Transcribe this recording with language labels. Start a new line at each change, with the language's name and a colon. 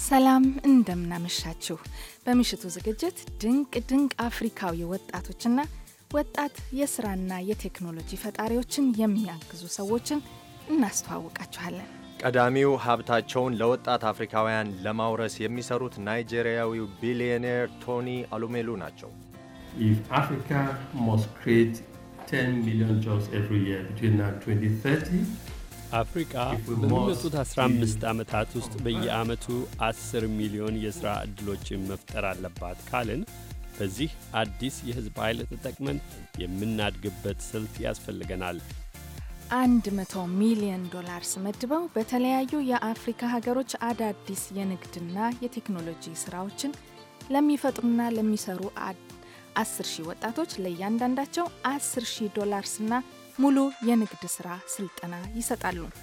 Amharic: ሰላም፣ እንደምናመሻችሁ። በምሽቱ ዝግጅት ድንቅ ድንቅ አፍሪካዊ ወጣቶችና ወጣት የስራና የቴክኖሎጂ ፈጣሪዎችን የሚያግዙ ሰዎችን እናስተዋውቃችኋለን። ቀዳሚው ሀብታቸውን ለወጣት አፍሪካውያን ለማውረስ የሚሰሩት ናይጄሪያዊው ቢሊዮኔር ቶኒ አሉሜሉ ናቸው።
English: If Africa must create 10 million jobs every year between now and 2030,
Amharic: አፍሪካ በመጪዎቹ 15 ዓመታት ውስጥ በየዓመቱ 10 ሚሊዮን የሥራ ዕድሎችን መፍጠር አለባት ካልን በዚህ አዲስ የሕዝብ ኃይል ተጠቅመን የምናድግበት ስልት ያስፈልገናል። 100 ሚሊዮን ዶላርስ መድበው በተለያዩ የአፍሪካ ሀገሮች አዳዲስ የንግድና የቴክኖሎጂ ስራዎችን ለሚፈጥሩና ለሚሰሩ 10,000 ወጣቶች ለእያንዳንዳቸው 10,000 ዶላርስና ሙሉ የንግድ ስራ ስልጠና ይሰጣሉ።